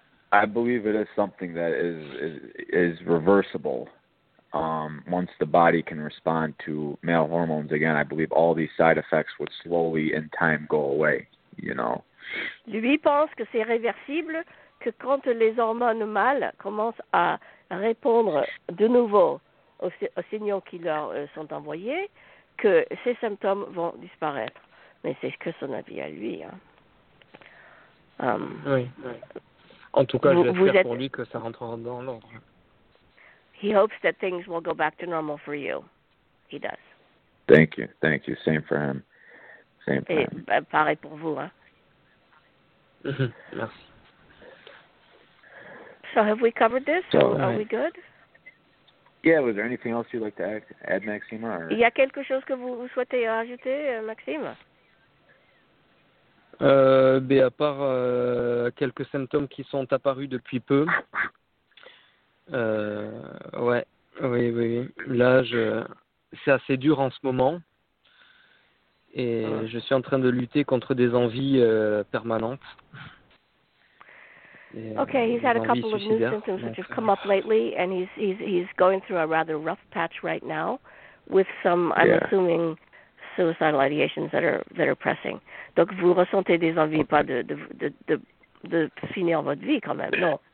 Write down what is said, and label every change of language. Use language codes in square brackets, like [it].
[en] I believe it is something that is reversible once the body can respond to male hormones again. I believe all these side effects would slowly in time go away, you know. [fr] Lui pense que c'est réversible, que quand les hormones mâles commencent à répondre de nouveau aux signaux qui leur sont envoyés, que ces symptômes vont disparaître. Mais c'est que son avis à lui. Oui. En tout cas, j'espère pour lui que ça rentrera dans l'ordre. [en] He hopes that things will go back to normal for you. He does. Thank you. Thank you. Same for him. Same for [fr] Et, [en] him. [fr] Bah, pareil pour vous. Hein? Merci. [en] So have we covered this? So, are we good? Yeah, was there anything else you'd like to add, Maxima? Or... [fr] Il y a quelque chose que vous souhaitez ajouter, Maxime? Ben à part quelques symptômes qui sont apparus depuis peu, là c'est assez dur en ce moment et je suis en train de lutter contre des envies permanentes. [en] Okay, he's had a couple of new symptoms which have come up lately, and he's going through a rather rough patch right now with some, I'm assuming, suicidal ideations that are pressing. [fr] Donc vous ressentez des envies pas de finir votre vie quand même, non?